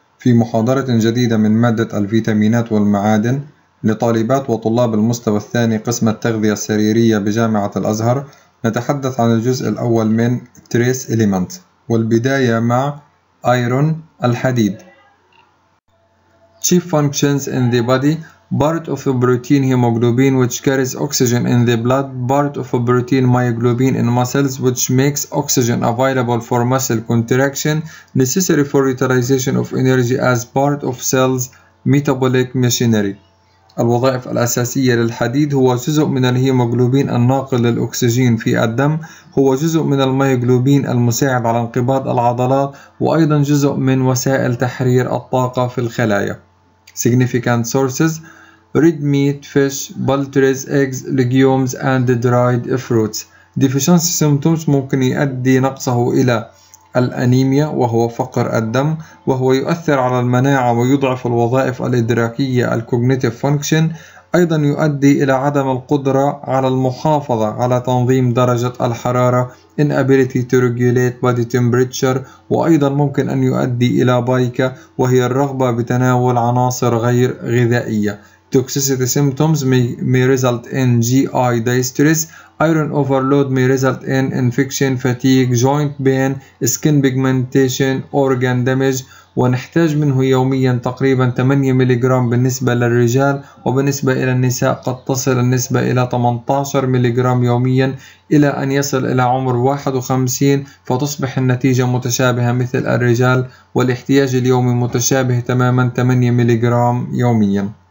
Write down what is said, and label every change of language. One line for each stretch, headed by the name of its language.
Arabic: في محاضرة جديدة من مادة الفيتامينات والمعادن لطالبات وطلاب المستوى الثاني قسم التغذية السريرية بجامعة الأزهر، نتحدث عن الجزء الأول من Trace Element، والبداية مع Iron الحديد.
English: Chief functions in the body: part of a protein hemoglobin which carries oxygen in the blood, part of a protein myoglobin in muscles which makes oxygen available for muscle contraction necessary for utilization of energy as part of cells metabolic machinery.
Arabic: الوظائف الأساسية للحديد: هو جزء من الهيموغلوبين الناقل للأكسجين في الدم، هو جزء من الميوغلوبين المساعد على انقباض العضلات، وأيضا جزء من وسائل تحرير الطاقة في الخلايا.
English: Significant sources: red meat, fish, poultry, eggs, legumes and dried fruits. Deficiency symptoms:
Arabic: ممكن يؤدي نقصه إلى الأنيميا وهو فقر الدم، وهو يؤثر على المناعة ويضعف الوظائف الإدراكية ال
English: cognitive function،
Arabic: أيضا يؤدي إلى عدم القدرة على المحافظة على تنظيم درجة الحرارة
English: inability to regulate body temperature،
Arabic: وأيضا ممكن أن يؤدي إلى بايكا وهي الرغبة بتناول عناصر غير غذائية.
English: Toxicity symptoms may result in GI distress. Iron overload may result in infection, fatigue, joint pain, skin pigmentation, organ damage.
Arabic: ونحتاج منه يوميا تقريبا 8 ميليغرام بالنسبة للرجال، وبالنسبة إلى النساء قد تصل النسبة إلى 18 ميليغرام يوميا إلى أن يصل إلى عمر 51، فتصبح النتيجة متشابهة مثل الرجال، والاحتياج اليومي متشابه تماما 8 ميليغرام يوميا.